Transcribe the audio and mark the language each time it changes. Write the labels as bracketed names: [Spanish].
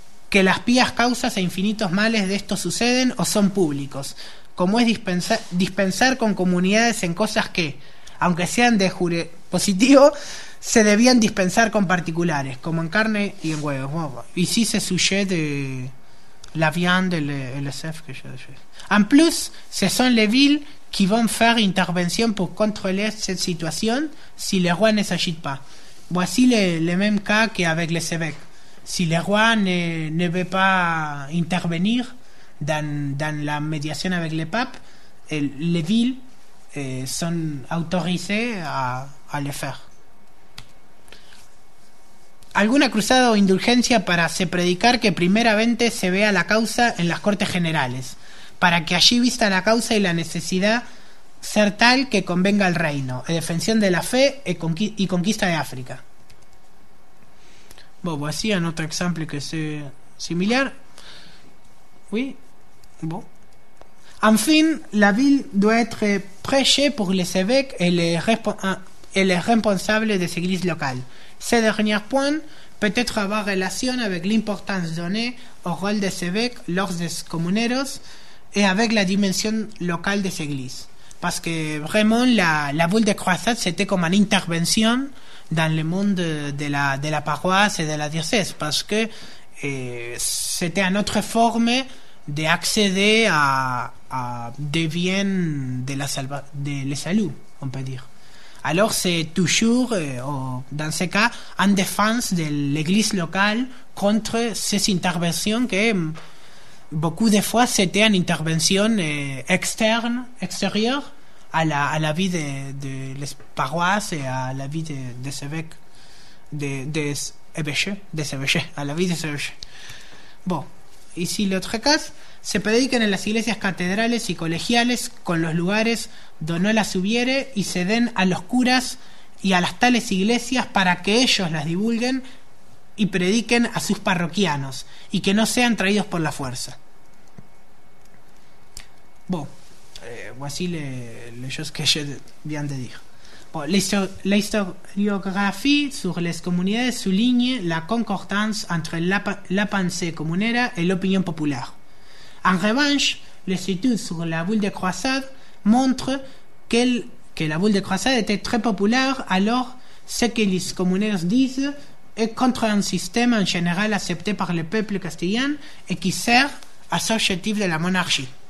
[Spanish] que las pías causas e infinitos males de esto suceden o son públicos, como es dispensar con comunidades en cosas que, aunque sean de jure positivo, se debían dispensar con particulares, como en carne y en huevos. Y si se sujete [French] la viande, [Spanish] el SF que yo dije. [French] En plus, ce sont les villes qui vont faire intervention pour contrôler cette situation si le roi ne s'agit pas. Voici le même cas qu'avec les évêques. Si le roi ne veut pas intervenir dans la médiation avec le pape, les villes sont autorisées à le faire. [Spanish] Alguna cruzada o indulgencia para se predicar que primeramente se vea la causa en las Cortes Generales, para que allí vista la causa y la necesidad ser tal que convenga al reino, en defensión de la fe y conquista de África. Bueno, pues sí, en otro ejemplo que es similar. [French] Oui. Bon. Enfin, la ville doit être prêchée pour les évêques et les responsables des églises locales. Ce dernier point peut être avoir relation avec l'importance donnée au rôle des évêques lors des comuneros et avec la dimension locale des églises. Parce que vraiment, la boule de croisade, c'était comme une intervention dans le monde de la paroisse et de la diocèse, parce que c'était une autre forme d'accéder à des biens de la salut, on peut dire. Alors c'est toujours, dans ce cas, en défense de l'église locale contre ces interventions que beaucoup de fois c'était une intervention extérieure à la vie de les paroisses et à la vie des évêques, des évêchés, à la vie des évêchés. Bon, ici l'autre cas, [Spanish] se prediquen en las iglesias catedrales y colegiales con los lugares donde las hubiere y se den a los curas y a las tales iglesias para que ellos las divulguen y prediquen a sus parroquianos y que no sean traídos por la fuerza. [French] Voici les choses que je viens de dire. Bon, la historiographie sur les communautés souligne la concordance entre la pensée comunera et l'opinion populaire. En revanche, les études sur la boule de croisade montrent que la boule de croisade était très populaire, alors ce que les communeurs disent est contre un système en général accepté par le peuple castillan et qui sert à son objectif de la monarchie.